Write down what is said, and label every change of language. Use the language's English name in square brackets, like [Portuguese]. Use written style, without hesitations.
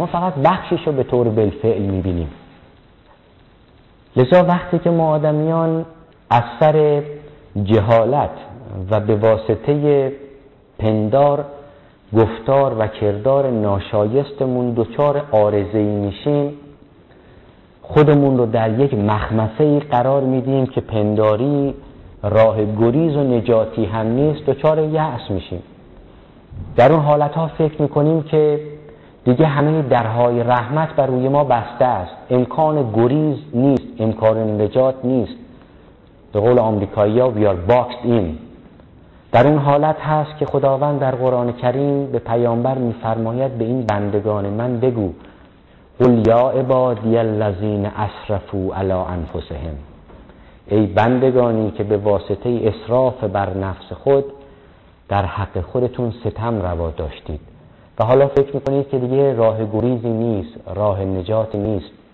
[Persian] ما فقط بخشش رو به طور بالفعل می‌بینیم. لذا وقتی که ما آدمیان اثر جهالت و به واسطه پندار گفتار و کردار ناشایستمون دچار عارضه‌ای میشیم، خودمون رو در یک مخمصه‌ای قرار میدیم که پنداری راه گریز و نجاتی هم نیست، دچار یأس میشیم. در اون حالت‌ها فکر میکنیم که دیگه همه درهای رحمت بر روی ما بسته است، امکان گریز نیست، امکان نجات نیست. به قول آمریکایی‌ها [English] we are boxed in. [Persian] در اون حالت هست که خداوند در قرآن کریم به پیامبر می‌فرماید به این بندگان من بگو [Arabic] قل یا عبادی الذین اسرفوا علی انفسهم، [Persian] ای بندگانی که به واسطه اسراف بر نفس خود در حق خودتون ستم روا داشتید و حالا فکر می‌کنید که دیگه راه گریزی نیست، راه نجات نیست.